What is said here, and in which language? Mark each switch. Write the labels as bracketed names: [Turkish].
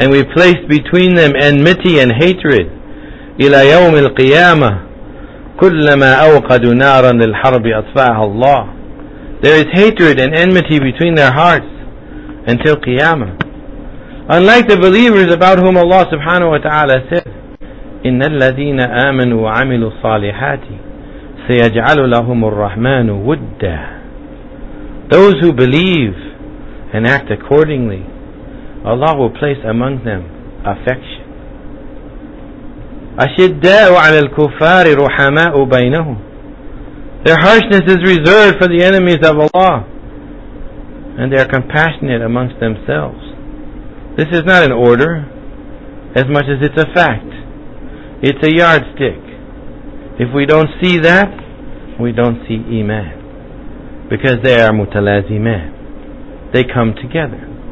[English] And we placed between them enmity and hatred, [Arabic] إِلَى يَوْمِ الْقِيَامَةِ. كُلَّمَا أَوْقَدُ نَارًا لِلْحَرْبِ أَطْفَاهَ اللَّهِ. [English] There is hatred and enmity between their hearts until Qiyamah. Unlike the believers about whom Allah subhanahu wa ta'ala said, [Arabic] إن الذين آمنوا وعملوا الصالحات سيجعل لهم الرحمن ودا. [English] Those who believe and act accordingly, Allah will place among them affection. [Arabic] أشداء على الكفار رحماء بينهم. [English] Their harshness is reserved for the enemies of Allah, and they are compassionate amongst themselves. This is not an order as much as it's a fact. It's a yardstick. If we don't see that, we don't see Iman, because they are mutalaziman. They come together.